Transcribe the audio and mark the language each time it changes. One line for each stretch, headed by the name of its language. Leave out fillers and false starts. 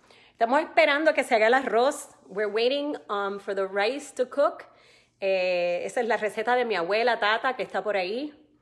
Spanish: Estamos esperando que se haga el arroz.
English: We're waiting for the rice to cook.
Spanish: Esa es la receta de mi abuela, Tata, que está por ahí.